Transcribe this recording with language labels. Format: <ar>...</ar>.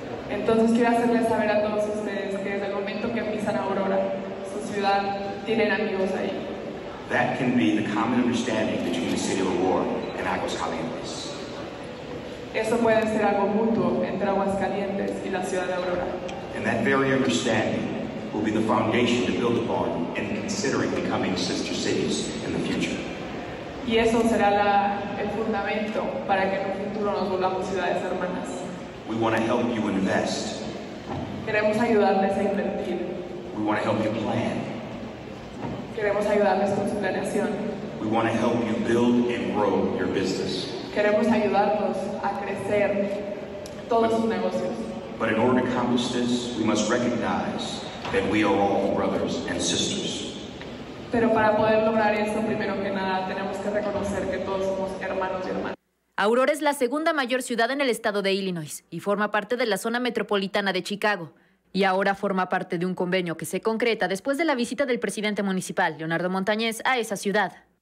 <es>Entonces, quiero hacerles saber a todos ustedes que desde el momento que pisan Aurora, su ciudad, tienen amigos ahí.</es> <en>That can be the common understanding between the city of Aurora and Aguascalientes.</en> <es>Eso puede ser algo mutuo entre Aguascalientes y la ciudad de Aurora.</es> <en>And that very understanding will be the foundation to build upon in considering becoming sister cities in the future.</en> <es>Y eso será el fundamento para que en un futuro nos volvamos ciudades hermanas.</es> <en>We want to help you invest.</en> <es>Queremos ayudarles a invertir.</es> <en>We want to help you plan.</en> <es>Queremos ayudarles con su planeación.</es> <en>We want to help you build and grow your business.</en> <es>Queremos ayudarlos a crecer todos sus negocios.</es> <en>But in order to accomplish this, we must recognize that we are all brothers and sisters.</en> <es>Pero para poder lograr eso, primero que nada, tenemos que reconocer que todos somos hermanos y hermanas. Aurora es la segunda mayor ciudad en el estado de Illinois y forma parte de la zona metropolitana de Chicago. Y ahora forma parte de un convenio que se concreta después de la visita del presidente municipal, Leonardo Montañez, a esa ciudad.</es>